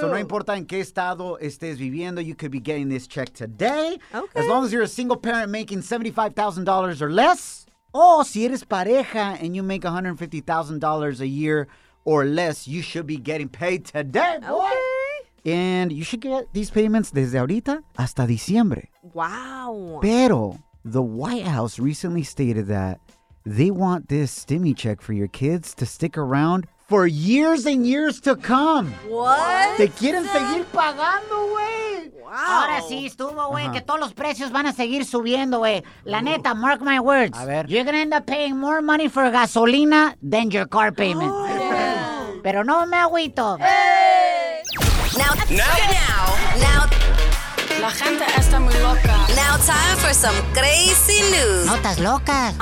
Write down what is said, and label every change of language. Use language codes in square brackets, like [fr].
[es] So no importa en qué estado estés viviendo, [en] you could be getting this check today. Okay. As long as you're a single parent making $75,000 or less. Oh, [es] si eres pareja [en] and you make $150,000 a year or less, you should be getting paid today, boy. Okay. And you should get these payments [es] desde ahorita hasta diciembre. [en] Wow. [es] Pero [en] the White House recently stated that they want this stimmy check for your kids to stick around for years and years to come. What? [es] Te quieren seguir pagando, güey. [en] Wow. [es] Ahora sí estuvo, güey, que todos los precios van a seguir subiendo, güey. La neta, [en] mark my words. [es] A ver. [en] You're gonna end up paying more money for gasolina than your car payment. Oh, yeah. [es] Pero no me agüito. [en] Hey. Now. [es] La gente está muy loca. [en] Now time for some crazy news. [es] Notas locas.